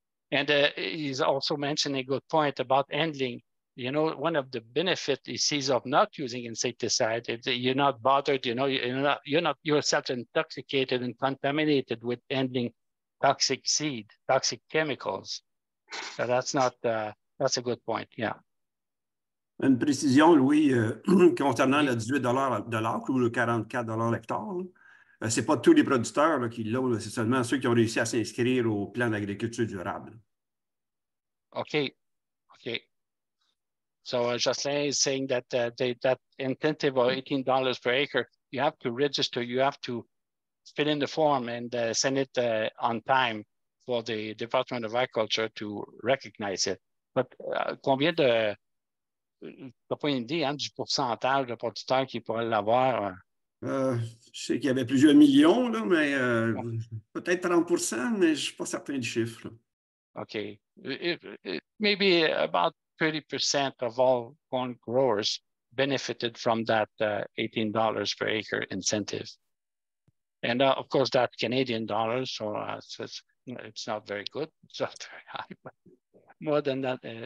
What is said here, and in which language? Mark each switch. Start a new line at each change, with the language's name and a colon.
English: And he's also mentioning a good point about handling. You know, one of the benefits he sees of not using insecticide is that you're not bothered, you know, you're not yourself intoxicated and contaminated with handling toxic seed, toxic chemicals. So that's a good point, yeah.
French: Une précision, Louis, concernant le 18 de l'acre ou le 44 l'hectare, ce n'est pas tous les producteurs là, qui l'ont, là, c'est seulement ceux qui ont réussi à s'inscrire au plan d'agriculture durable. OK. OK.
English: So, Jocelyn is saying that that incentive of $18 per acre, you have to register, you have to fill in the form and send it on time for the Department of Agriculture to recognize it.
French: But combien de... T'as pas une idée hein, du pourcentage de producteurs qui pourraient l'avoir? Je sais qu'il y avait plusieurs millions, là, mais peut-être 30%, mais je suis pas certain du chiffre. OK.
English: Maybe about 30% of all corn growers benefited from that $18 per acre incentive. And of course, that Canadian dollar, so it's not very good. It's not very high, but more than that...